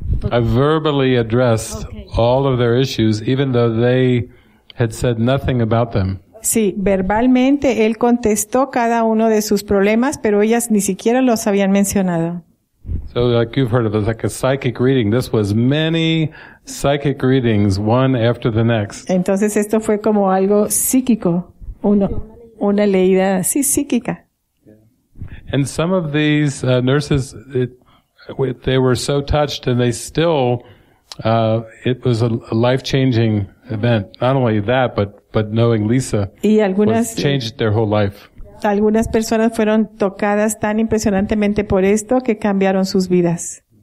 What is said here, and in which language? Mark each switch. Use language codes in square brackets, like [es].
[en] I verbally addressed all of their issues, even though they had said nothing about them. [es] Sí, verbalmente él contestó cada uno de sus problemas, pero ellas ni siquiera los habían mencionado. [en] So, like you've heard of, it's like a psychic reading. This was many psychic readings, one after the next. [es] Entonces esto fue como algo psíquico, una leída así psíquica. [en] And some of these nurses, they were so touched, and they still, it was a life-changing event. Not only that, but knowing Lisa changed their whole life. [es] Algunas personas fueron tocadas tan impresionantemente por esto que cambiaron sus vidas.